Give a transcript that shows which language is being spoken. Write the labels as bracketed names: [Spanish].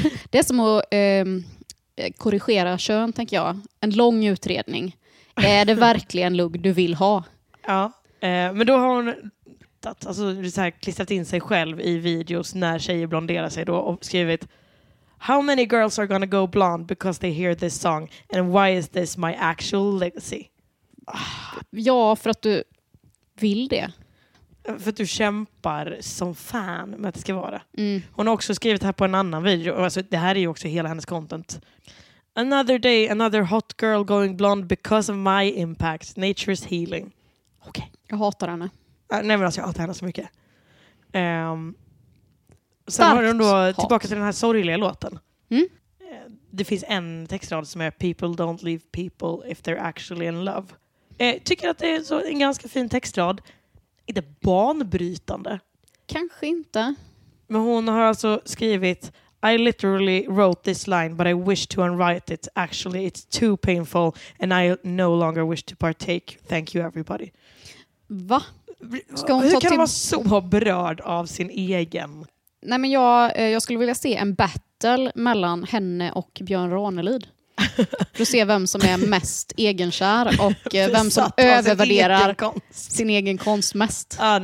[Swedish] Det är som att korrigera kön, tänker jag. En lång utredning. Är det verkligen lugg du vill ha? Ja, men då har hon så här, klistrat in sig själv i videos när tjejer blonderar sig då och skrivit... [English] How many girls are gonna go blonde because they hear this song? And why is this my actual legacy? [Swedish] Ja, för att du vill det. För att du kämpar som fan med att det ska vara. Mm. Hon har också skrivit här på en annan video. Alltså, det här är ju också hela hennes content. [English] Another day, another hot girl going blonde because of my impact. Nature's healing. [Swedish] Okej. Okay. Jag hatar henne. Nej, men alltså jag hatar henne så mycket. Sen har hon då tillbaka till den här sorgliga låten. Mm. Det finns en textrad som är [English] People don't leave people if they're actually in love. [Swedish] Tycker att det är så en ganska fin textrad. Är det banbrytande? Kanske inte. Men hon har alltså skrivit [English] I literally wrote this line but I wish to unwrite it. Actually it's too painful and I no longer wish to partake. Thank you everybody. [Swedish] Va? Ska hon hur kan hon vara så berörd av sin egen? Nej, men jag skulle vilja se en battle mellan henne och Björn Ranelid. För att se vem som är mest egenkär och vem som övervärderar sin egen konst mest.